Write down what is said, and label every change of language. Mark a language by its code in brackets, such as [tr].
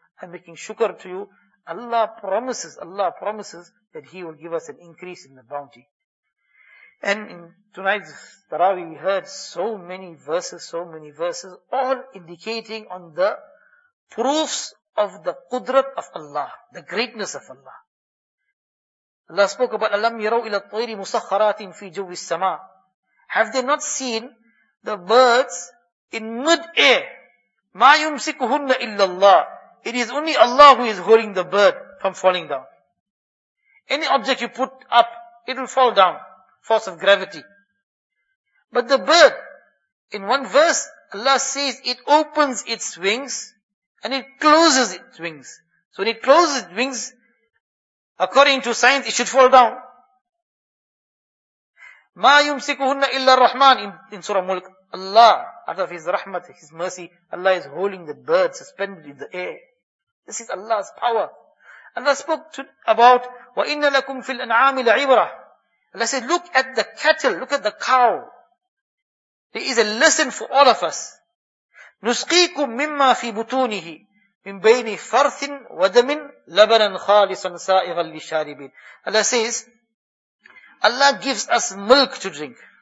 [en] I'm making shukr to you. Allah promises that He will give us an increase in the bounty. And in tonight's Taraweeh, we heard so many verses, all indicating on the proofs of the qudrat of Allah, the greatness of Allah. Allah spoke about, [ar] أَلَمْ يَرَوْا إِلَى الطَّيْرِ مُسَخَّرَاتٍ فِي جَوِّ السَّمَاءِ. [en] Have they not seen the birds in mid-air? [ar] مَا يُمْسِكُهُنَّ إِلَّا اللَّهِ. [en] It is only Allah who is holding the bird from falling down. Any object you put up, it'll fall down, force of gravity. But the bird, in one verse, Allah says it opens its wings and it closes its wings. So when it closes its wings, according to science, it should fall down. [ar] مَا يُمْسِكُهُنَّ إِلَّا الرَّحْمَنِ [en] in Surah Mulk. Allah, out of His rahmat, His mercy, Allah is holding the bird suspended in the air. This is Allah's power. Allah spoke to, about, [ar] وَإِنَّ لَكُمْ فِي الْأَنْعَامِ لَعِبْرَةٍ. [en] Allah said, look at the cattle, look at the cow. There is a lesson for all of us. [ar] نُسْقِيكُمْ مِمَّا فِي بُطُونِهِ مِنْ بَيْنِ فَرْثٍ وَدَمٍ لَبَنًا خَالِصًا سَائِغًا لِشَارِبِينَ. [en] Allah says, Allah gives us milk to drink.